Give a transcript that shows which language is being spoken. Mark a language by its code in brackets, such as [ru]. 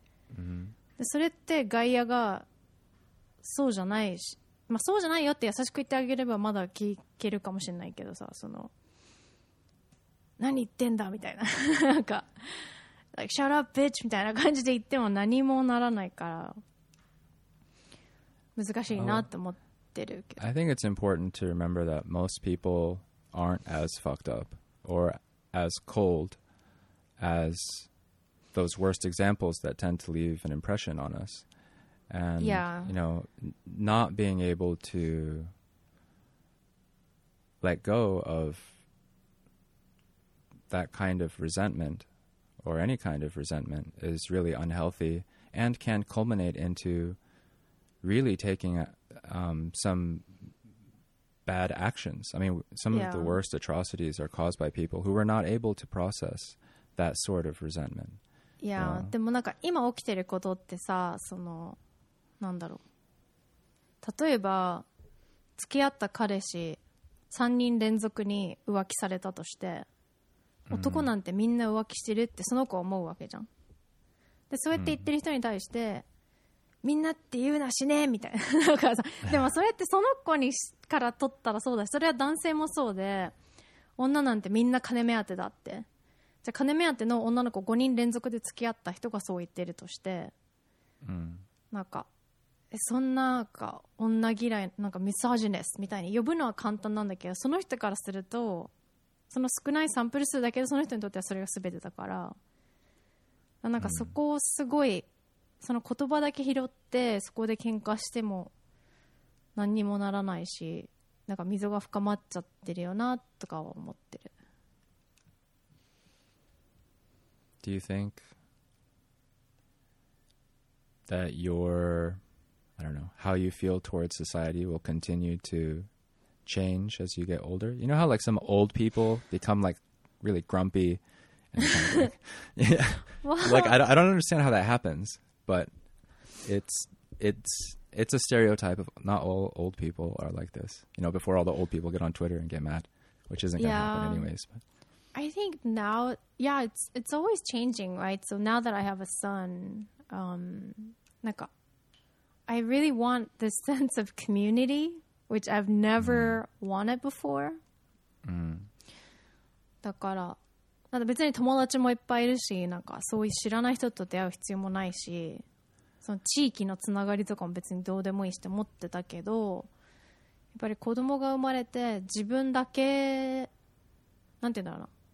[ja] でそれって外野がそうじゃないし、まあ、そうじゃないよって優しく言ってあげればまだ聞けるかもしれないけどさ、その何言ってんだみたいな、なんか [en] like shut up bitch [ja] みたいな感じで言っても何もならないから難しいなと思ってるけど、 [en] I think it's important to remember that most people aren't as fucked up or as cold as those worst examples that tend to leave an impression on us. And, yeah. you know, not being able to let go of that kind of resentment or any kind of resentment is really unhealthy and can culminate into really taking some bad actions. I mean, some yeah. of the worst atrocities are caused by people who were not able to process that sort of resentment. いや、yeah. [ja] でもなんか今起きてることってさ、そのなんだろう、例えば付き合った彼氏3人連続に浮気されたとして、男なんてみんな浮気してるってその子は思うわけじゃん。でそうやって言ってる人に対して、mm-hmm. みんなって言うなしねみたいなかさ、でもそれってその子にから取ったらそうだし、それは男性もそうで、女なんてみんな金目当てだって、じゃ金目当ての女の子5人連続で付き合った人がそう言ってるとして、うん、なんかそんなか女嫌い、なんかミサージネスみたいに呼ぶのは簡単なんだけど、その人からするとその少ないサンプル数だけど、その人にとってはそれが全てだから、なんかそこをすごい、うん、その言葉だけ拾ってそこで喧嘩しても何にもならないし、なんか溝が深まっちゃってるよなとかは思ってる。 [en] Do you think that your, I don't know, how you feel towards society will continue to change as you get older? You know how like some old people become like really grumpy? And kind of like, yeah. Like I don't understand how that happens, but it's a stereotype of not all old people are like this. You know, before all the old people get on Twitter and get mad, which isn't going to yeah. happen anyways, but. I think now, yeah, it's always changing, right? So now that I have a son, like, I really want this sense of community, which I've never wanted before. [ja] だから、なんか別に友達もいっぱいいるし、なんかそういう知らない人と出会う必要もないし、その地域のつながりとかも別にどうでもいいして思ってたけど、やっぱり子供が生まれて自分だけ、なんて言うんだろうな、